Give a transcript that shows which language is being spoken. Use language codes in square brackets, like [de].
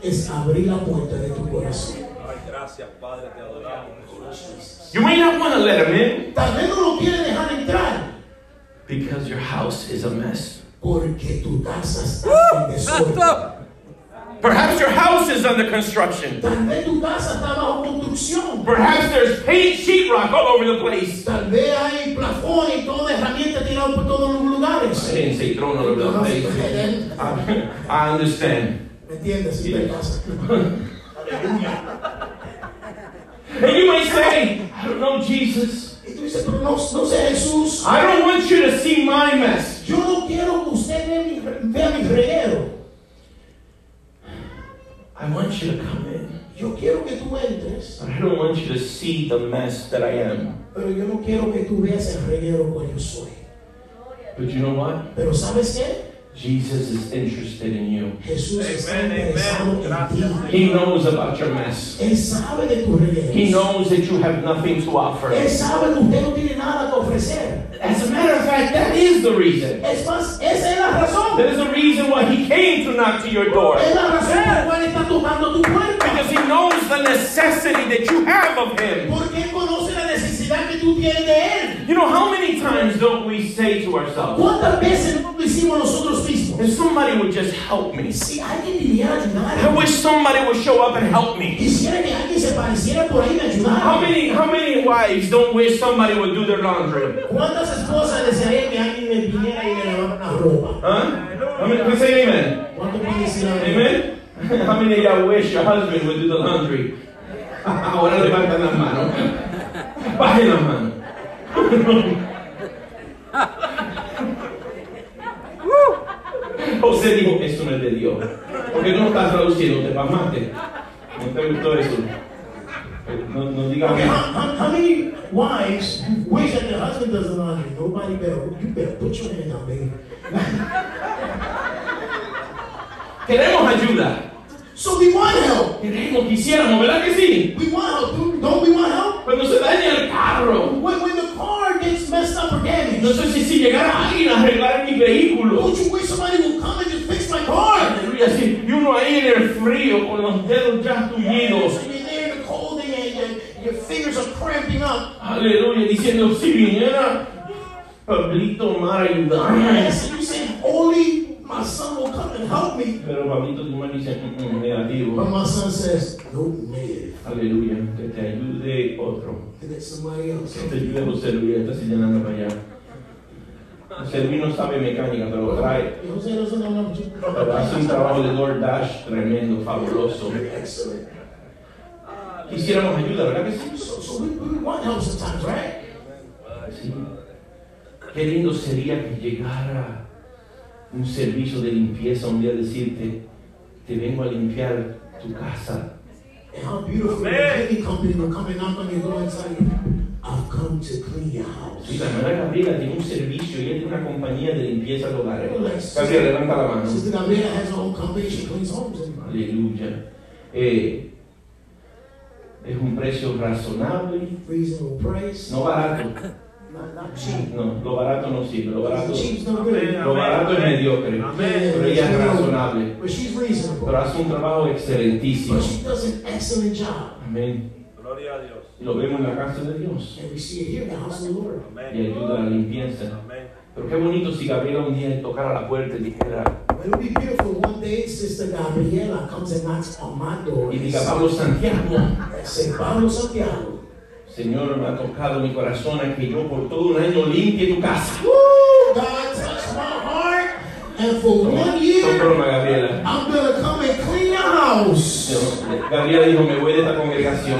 [en] You may not want to let him in. [es] Tal vez no lo quiere dejar entrar. [en] Because your house is a mess. [es] Porque tu casa está en desorden. [en] But Perhaps your house is under construction. [es] Tal vez tu casa está bajo construcción. [en] Perhaps there's paint sheetrock all over the place. [es] Tal vez hay plafón y toda herramienta tirada por todos los lugares. [en] I didn't say thrown all over the place. I understand. [es] ¿Me entiendes? Sí, me pasa. [en] And you might say, I don't know Jesus. I don't want you to see my mess. [es] Yo no quiero que usted vea mi reguero. [en] I want you to come in. [es] Yo quiero que tú entres. [en] But I don't want you to see the mess that I am. [es] Pero yo no quiero que tú veas el reguero que yo soy. [en] But you know what? [es] Pero ¿sabes qué? [en] Jesus is interested in you. [es] Jesús amen, amen. [en] He knows about your mess. [es] Él sabe de tu reguero. [en] He knows that you have nothing to offer. [es] Él sabe que usted no tiene nada que ofrecer. [en] As a matter of fact, that is the reason. [es] Es más, esa es la razón. [en] That is the reason why he came to knock to your door. [es] Es la razón por la cual está tocando tu puerta. [en] Because he knows the necessity that you have of him. [es] Porque él conoce la necesidad que tú tienes de él. [en] You know, how many times don't we say to ourselves, [es] ¿cuántas veces no decimos nosotros mismos? [en] If somebody would just help me. [es] Si alguien viniera a ayudarme. [en] I wish somebody would show up and help me. [es] Quisiera que alguien se pareciera por ahí y me ayudara. [en] How many wives don't wish somebody would do their laundry? [es] ¿Cuántas esposas desearían que alguien me viniera y me lavara la ropa? [en] Huh? Let me say amen. [es] ¿Cuánto puede decir amen? Amen? [en] How many of y'all wish your husband would do the laundry? [es] Ahora levanta la mano. Baje la mano. José dijo, eso no es de Dios. Porque no está traduciendo, te pamaste. No te gustó eso. No digas que. [en] How many wives wish that their husband does the laundry? Nobody better. You better put your hand down, baby. [es] Queremos ayuda. [en] So we want help. [es] Queremos, quisiéramos, ¿verdad que sí? [en] We want help. Don't we want help? [es] Cuando se daña el carro. [en] When the car gets messed up or damaged. [es] No sé si llegara alguien a arreglar mi vehículo. [en] Don't you wish somebody would come and just fix my car? [es] Aleluya, sí. Y uno ahí en el frío con los dedos ya tullidos. [en] And you're there in the cold and your fingers are cramping up. [es] Aleluya, diciendo, si viniera Pablito Mar a ayudarme. [en] Yes, and you say, holy my son will come and help me. [es] Pero Pablito tu mano dice, negativo. [en] But my son says, no negative. [es] Aleluya, que te ayude otro. [en] And that somebody else. [es] Que te ayude José Luis, estás llenando para allá. José Luis no sabe mecánica, pero trae. José no sabe mucho. Pero hace un trabajo de Lord Dash tremendo, fabuloso. [en] Excellent. [es] Quisiéramos ayuda, ¿verdad que sí? [en] So we want help sometimes, right? [es] Sí. Qué lindo sería que llegara un servicio de limpieza un día decirte, te vengo a limpiar tu casa. [en] And how beautiful the cleaning company will come and knock on your door and say, I've come to clean your house. [es] Mira, María Gabriela tiene un servicio y es una compañía de limpieza de hogares. Casi levanta la mano. [en] Sister Gabriela has her own company, she cleans homes. [es] Aleluya. Es un precio razonable. [en] Reasonable price. [es] No barato. [en] Not cheap. [es] No, lo barato no sirve. Lo barato, amen, lo barato es mediocre. Amen. Pero ella es razonable. [en] But she's reasonable. [es] Pero hace un trabajo excelentísimo. [en] But she does an excellent job. [es] Amen. Gloria a Dios. Y lo vemos en la casa de Dios. [en] And we see it here in the house of the Lord. [es] Amen. Y ayuda a la limpieza. Amen. Pero qué bonito si Gabriela un día tocara la puerta y dijera, [en] it would be beautiful one day Sister Gabriela comes and knocks on my door. [es] Y diga, Pablo Santiago. [en] Say, Pablo Santiago. [es] Señor, me ha tocado mi corazón a que yo por todo un año limpie tu casa. [en] God touched my heart and for [es] toma, [en] one year [es] broma, [en] I'm gonna come and clean your house. [es] No, Gabriela dijo, me voy de esta congregación.